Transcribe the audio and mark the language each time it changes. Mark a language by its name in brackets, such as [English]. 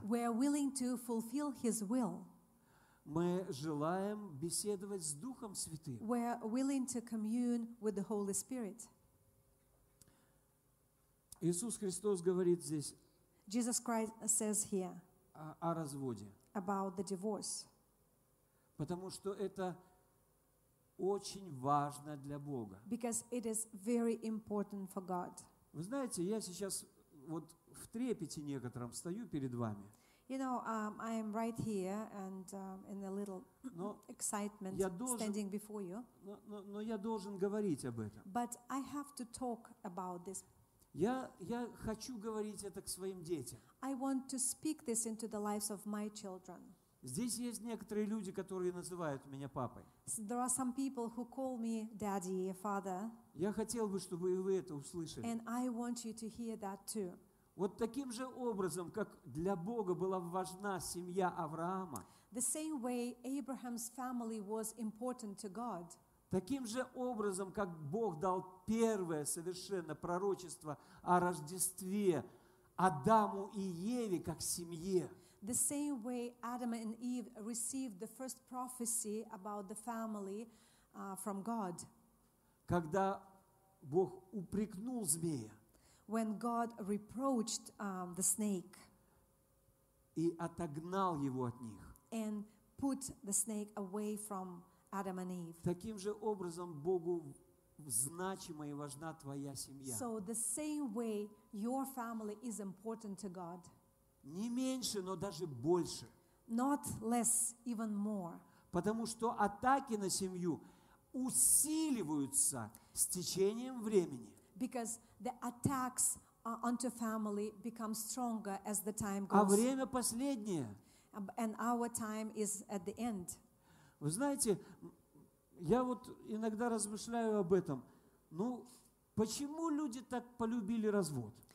[English] We are willing to fulfill His will. [Russian] Мы желаем беседовать с Духом Святым. [English] We are willing to commune with the Holy Spirit. [Russian] Иисус Христос говорит здесь [English] Jesus Christ says here [Russian] о разводе. [English] About the divorce. [Russian] Потому что это очень важно для Бога. [English] Because it is very important for God. [Russian] Вы знаете, я сейчас вот в трепете некотором стою перед вами. [English] You know, I am right here and in a little excitement standing before you. [Russian] Но я должен говорить об этом. [English] But I have to talk about this. [Russian] Я хочу говорить это к своим детям. [English] I want to speak this into the lives of my children. [Russian] Здесь есть некоторые люди, которые называют меня папой. [English] There are some people who call me daddy, father. [Russian] Я хотел бы, чтобы и вы это услышали. [English] And I want you to hear that too. [Russian] Вот таким же образом, как для Бога была важна семья Авраама. [English] The same way Abraham's family was important to God. [Russian] Таким же образом, как Бог дал первое совершенно пророчество о Рождестве Адаму и Еве как семье. [English] The same way Adam and Eve received the first prophecy about the family from God. [Russian] Когда Бог упрекнул змея. [English] When God reproached the snake. [Russian] И отогнал его от них. [English] And put the snake away from Adam and Eve. [Russian] Таким же образом Богу значима и важна твоя семья. [English] So the same way your family is important to God. [Russian] Не меньше, но даже больше. [English] Not less, even more. [Russian] Потому что атаки на семью усиливаются с течением времени. [English] Because the attacks onto family become stronger as the time goes. [Russian] А время последнее. [English] And our time is at the end. [Russian] Вы знаете, я вот иногда размышляю об этом. Ну, почему люди так полюбили развод?